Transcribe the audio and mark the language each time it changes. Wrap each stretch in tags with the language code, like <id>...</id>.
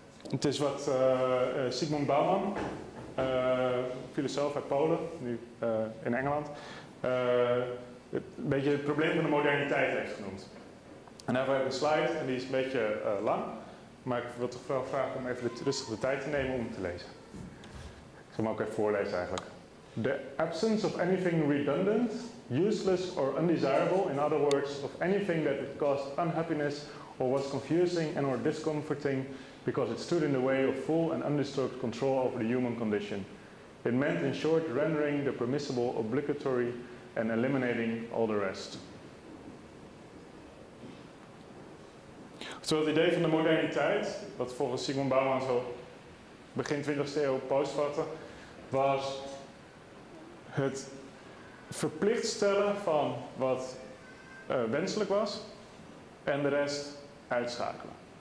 <nl>Het is wat Sigmund Bauman, filosoof uit Polen, nu in Engeland, een beetje het probleem van de moderniteit heeft genoemd. En daarvoor heb ik een slide en die is een beetje lang, maar ik wil toch wel vragen om even rustig de tijd te nemen om hem te lezen. Ik zal hem ook even voorlezen eigenlijk.</nl> <en>The absence of anything redundant, useless or undesirable, in other words, of anything that would cause unhappiness or was confusing and or discomforting, because it stood in the way of full and undisturbed control over the human condition. It meant, in short, rendering the permissible obligatory and eliminating all the rest.</en> <nl>Zo, het idee van de moderniteit, wat volgens Sigmund Bauman zo begin 20e eeuw postvatte, was het verplicht stellen van wat wenselijk was en de rest uitschakelen.</nl>